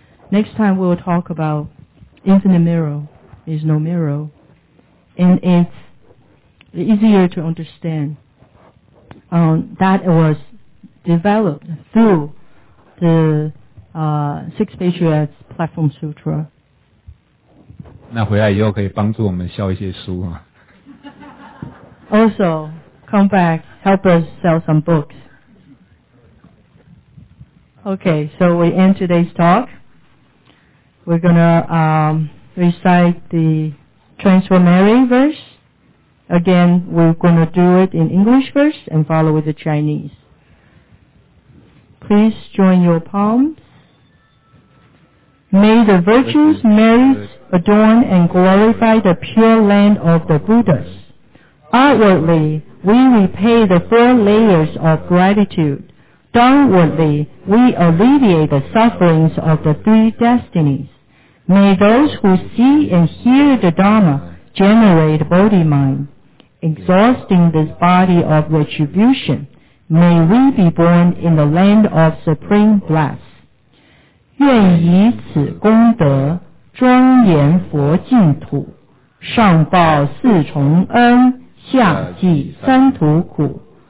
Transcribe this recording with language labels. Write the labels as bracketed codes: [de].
[en] Next time we'll talk about infinite mirror is no mirror. and it's easier to understand. That was developed through the Six Patriarchs Platform Sutra. [zh] 那回来以后可以帮助我们销一些书啊。 [en] Also, come back, help us sell some books. Okay, so we end today's talk. We're gonna recite the Transformary verse. Again, we're gonna do it in English verse and follow with the Chinese. Please join your palms. May the virtues, merits, adorn and glorify the pure land of the Buddhas. Outwardly, we repay the four layers of gratitude. Downwardly, we alleviate the sufferings of the three destinies. May those who see and hear the Dharma generate Bodhi mind. Exhausting this body of retribution, may we be born in the land of supreme bliss. [zh] 愿以此功德庄严佛净土，上报四重恩，下济三途苦。